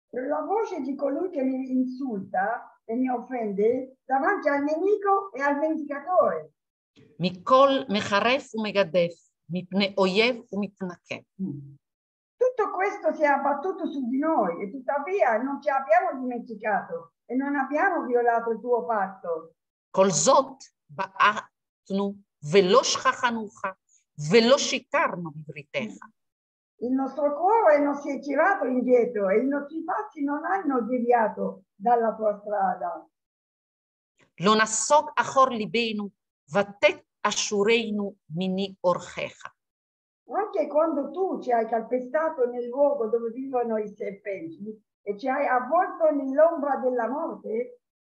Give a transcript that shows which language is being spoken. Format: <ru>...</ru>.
<it>La voce di colui che mi insulta e mi offende davanti al nemico e al vendicatore.</it> <he>מכל מחרף ומגדף, מפני אויב ומתנקם.</he> <it>Tutto questo si è abbattuto su di noi e tuttavia non ci abbiamo dimenticato e non abbiamo violato il tuo patto.</it> <he>כל זאת בעטנו ולא שכחנוך ולא שיקרנו בבריתך.</he> <it>Il nostro cuore non si è tirato indietro e i nostri passi non hanno deviato dalla tua strada.</it> <he>Lo nasog achor libenu, vatet ashureinu mini orcheha.</he> <it>Anche quando tu ci hai calpestato nel luogo dove vivono i serpenti e ci hai avvolto nell'ombra della morte?</it>